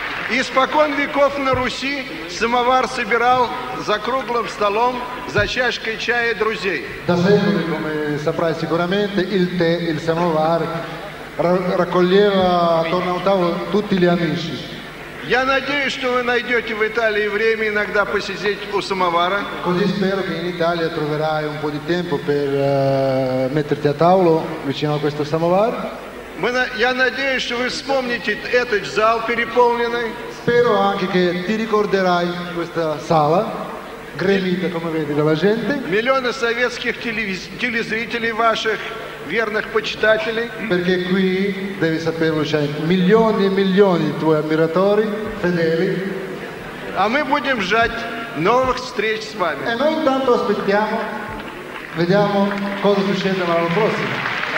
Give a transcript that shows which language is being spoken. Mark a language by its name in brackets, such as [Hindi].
[Russian] Испокон веков на Руси самовар собирал за круглым столом за чашкой чая друзей. [Italian] Da sempre, come saprai sicuramente, il tè, il samovar raccoglieva attorno al tavolo tutti gli amici. [Russian] Я надеюсь, что вы найдете в Италии время иногда посидеть у самовара. [Italian] Così spero che in Italia troverai un po' di tempo per metterti a tavolo vicino a questo samovar. [Russian] Я надеюсь, что вы вспомните этот зал переполненный. [Italian] Spero anche che ti ricorderai questa sala gremita, come vedi, dalla gente. Milioni di [Russian] советских телезрителей ваших верных почитателей. [Italian] Perché qui devi saperlo, c'è milioni e milioni di tuoi ammiratori fedeli. [Russian] А мы будем ждать новых встреч с вами. [Italian] E noi intanto aspettiamo, vediamo cosa succede l'anno prossimo.